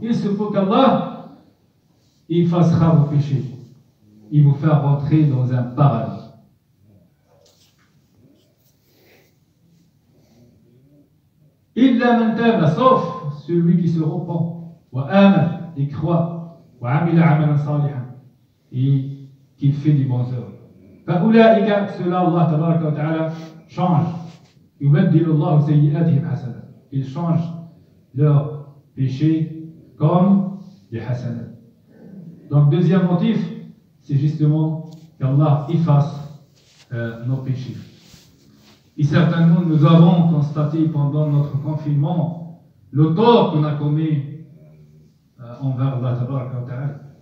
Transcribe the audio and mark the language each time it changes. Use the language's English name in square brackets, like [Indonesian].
[French] Il se peut qu'Allah effacera vos péchés et vous faire rentrer dans un paradis. [Arabic] إلا من تاب سوف [French] celui qui se repent [Arabic] وآمن [French] et croit [Arabic] وعمل عملا صالحا [French] et qui fait des bonnes œuvres. [Arabic] فأولئك سلا الله تبارك وتعالى [French] change [Arabic] يبدل الله سيئاتهم حسنات. [French] Il change leur péché comme des حسنات. Donc deuxième motif, c'est justement qu'Allah efface nos péchés. Et certainement, nous avons constaté pendant notre confinement le tort qu'on a commis envers Allah Tabaraka wa Ta'ala.